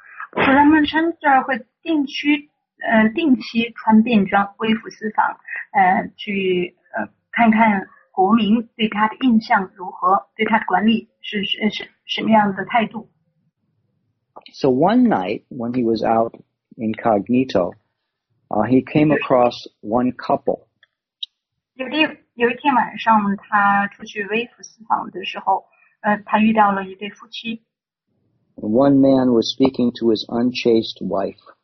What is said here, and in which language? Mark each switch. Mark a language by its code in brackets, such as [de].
[zh] Ramachandra 会定期穿便装微服私访，去看看国民对他的印象如何，对他的管理是什么样的态度。 [en] So one night when he was out incognito, he came across one couple. [zh] 有一天晚上他出去微服私访的时候，他遇到了一对夫妻。 [en] One man was speaking to his unchaste wife.